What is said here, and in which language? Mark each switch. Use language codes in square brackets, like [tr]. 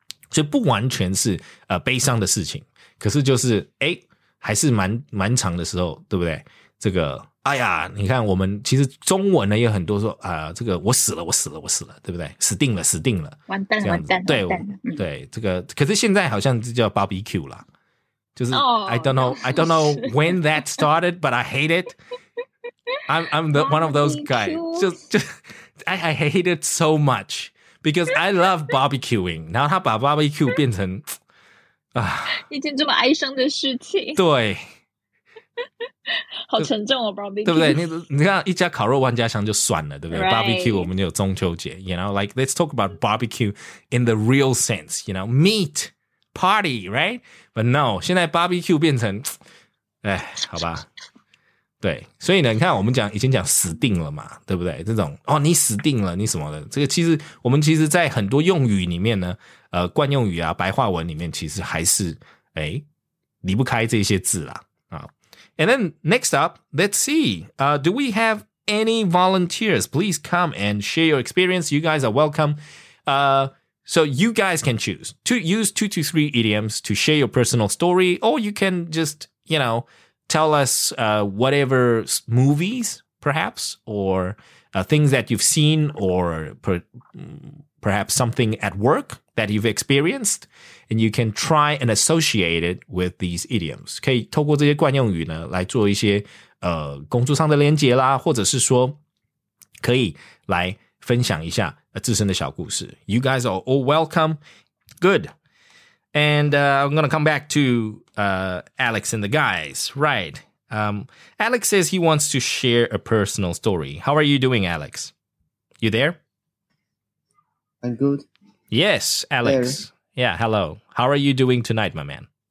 [zh] 所以不完全是悲伤的事情，可是就是诶，还是蛮长的时候，对不对？这个哎呀，你看我们其实中文呢也很多说啊，这个我死了，我死了，我死了，对不对？死定了，死定了，完蛋，完蛋，对，完蛋了，对，这个可是现在好像就叫 BBQ 啦。就是、 oh, [en] I don't know when that started, but I hate it. I'm the one of those guys. I hate it so much because I love barbecuing. [zh] 然后他把 barbecue 变成啊，一件这么哀伤的事情。对，好沉重哦 ，barbecue，对不对？你看一家烤肉万家香就算了，对不对、 [en] right. ？barbecue [zh] 我们有中秋节 [en] ，you know, like let's talk about barbecue in the real sense. You know, meat. Party, right? But no, [zh] 现在 BBQ 变成，哎，好吧，对，所以呢，你看我们讲以前讲死定了嘛，对不对？这种哦，你死定了，你什么的，这个其实我们其实在很多用语里面呢，惯用语啊，白话文里面其实还是哎离不开这些字啦啊。 [en] And then next up, let's see, do we have any volunteers? Please come and share your experience. You guys are welcome. So you guys can choose to use 2-3 idioms to share your personal story, or you can just, you know, tell us whatever movies, perhaps, or things that you've seen, or perhaps something at work that you've experienced, and you can try and associate it with these idioms. [zh] 可以透过这些惯用语呢，来做一些工作上的连结啦，或者是说可以来分享一下自身的小故事。 [en] You guys are all welcome. Good. And I'm going to come back to Alex and the guys. Right. Alex says he wants to share a personal story. How are you doing, Alex? You there? I'm good. Yes, Alex. There. Yeah, hello. How are you doing tonight, my man?